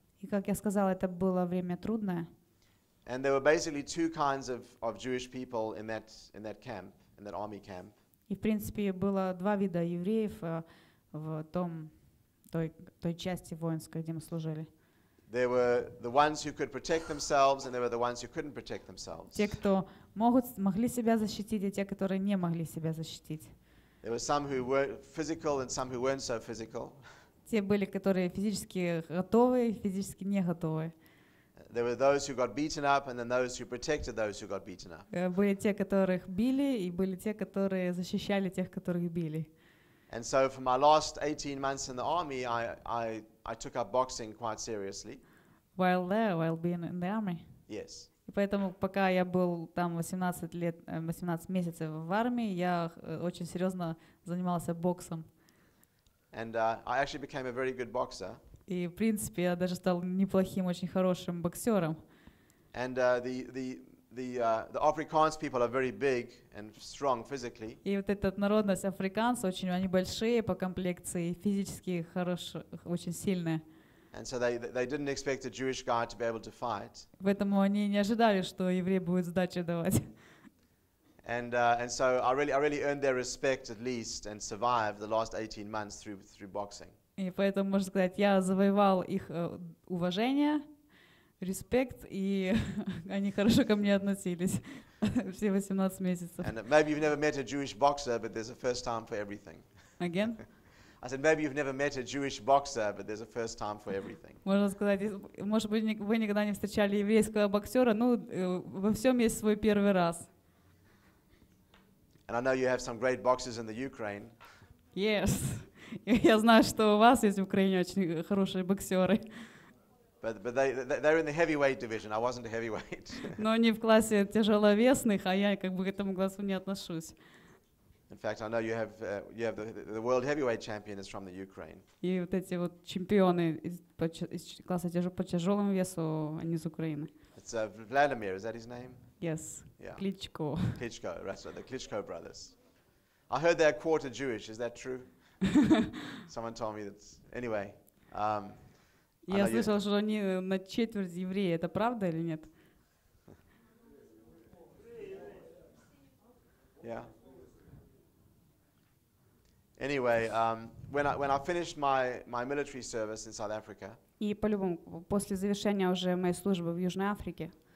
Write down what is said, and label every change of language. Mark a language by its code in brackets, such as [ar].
[ru] И как я сказала, это было время трудное. [en] And there were basically two kinds of Jewish people in that camp, in that army camp. [ru] И в принципе было два вида евреев в том. Той части воинской, где мы служили. [en] There were the ones who could protect themselves, and there were the ones who couldn't protect themselves. [ru] Те, кто могли себя защитить, и те, которые не могли себя защитить. [en] There were some who were physical and some who weren't so physical. [ru] Те были, которые физически готовы, физически не готовы. [en] There were those who got beaten up, and then those who protected those who got beaten up. [ru] Были те, которых били, и были те, которые защищали тех, которых били. [en] And so, for my last 18 months in the army, I took up boxing quite seriously. While there, while being in the army. Yes. [ru] И поэтому, пока я был там 18 месяцев в армии, я очень серьезно занимался боксом. [en] And I actually became a very good boxer. [ru] И в принципе я даже стал неплохим, очень хорошим боксером. [en] And the Afrikaans people are very big and strong physically. [ru] И вот эта народность африканцев очень, они большие по комплекции, физически хорошие, очень сильные. [en] And so they didn't expect a Jewish guy to be able to fight. [ru] Поэтому они не ожидали, что еврей будет сдачи давать. [en] And so I really earned their respect at least and survived the last 18 months through boxing. [ru] И поэтому, можно сказать, я завоевал их уважение, респект, и они хорошо ко мне относились все 18 месяцев. [en] And maybe you've never met a Jewish boxer, but there's a first time for everything. Again? I said, maybe you've never met a Jewish boxer, but there's a first time for everything. [ru] Можно сказать, может быть, вы никогда не встречали еврейского боксера, ну, во всем есть свой первый раз. [en] And I know you have some great boxers in the Ukraine. Yes. [ru] Я знаю, что у вас есть в Украине очень хорошие боксеры. [en] But they're in the heavyweight division. I wasn't a heavyweight. [ru] Но они в классе тяжеловесных, а я как бы к этому классу не отношусь. [en] In fact, I know you have the world heavyweight champion is from the Ukraine. [ru] И вот эти вот чемпионы из класса по тяжелому весу, они из Украины. [en] It's Vladimir. Is that his name? Yes. Yeah. [ru] Кличко. [en] Кличко, right, so the Kличko brothers. I heard they're quarter Jewish. Is that true? Someone told me that. Anyway, [ru] я слышал, что они на четверть евреи. Это правда или нет? [en] Yeah. Anyway, when I finished my military service in South Africa. [ru] И по любому после завершения уже моей службы в Южной Африке.